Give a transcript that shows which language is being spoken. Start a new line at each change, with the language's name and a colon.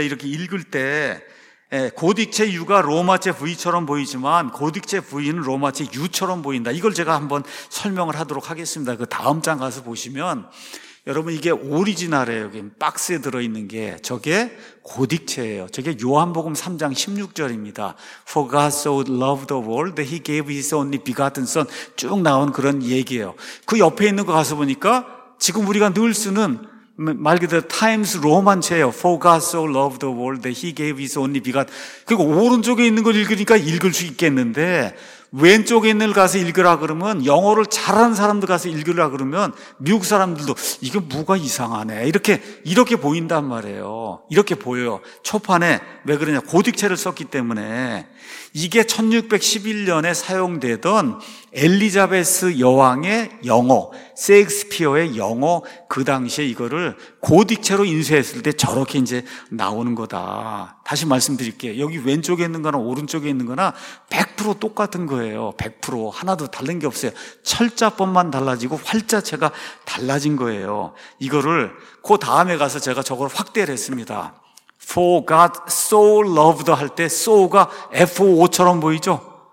Korean: 이렇게 읽을 때, 고딕체 U가 로마체 V처럼 보이지만, 고딕체 V는 로마체 U처럼 보인다. 이걸 제가 한번 설명을 하도록 하겠습니다. 그 다음 장 가서 보시면, 여러분 이게 오리지널이에요. 여기 박스에 들어있는 게. 저게 고딕체예요. 저게 요한복음 3장 16절입니다.
English: For God so loved the world that he gave his only begotten son.
Korean: 쭉 나온 그런 얘기예요. 그 옆에 있는 거 가서 보니까 지금 우리가 늘 쓰는 말 그대로 Times 로만체예요.
English: For God so loved the world that he gave his only begotten.
Korean: 그리고 오른쪽에 있는 걸 읽으니까 읽을 수 있겠는데 왼쪽에 있는 걸 가서 읽으라 그러면 영어를 잘하는 사람들 가서 읽으라 그러면 미국 사람들도 이게 뭐가 이상하네 이렇게 보인단 말이에요. 이렇게 보여요. 초판에 왜 그러냐, 고딕체를 썼기 때문에. 이게 1611년에 사용되던 엘리자베스 여왕의 영어, 셰익스피어의 영어, 그 당시에 이거를 고딕체로 인쇄했을 때 저렇게 이제 나오는 거다. 다시 말씀드릴게요. 여기 왼쪽에 있는 거나 오른쪽에 있는 거나 100% 똑같은 거예요. 100% 하나도 다른 게 없어요. 철자법만 달라지고 활자체가 달라진 거예요. 이거를 그 다음에 가서 제가 저걸 확대를 했습니다.
English: For God so loved
Korean: 할 때 so가 F-O처럼 보이죠?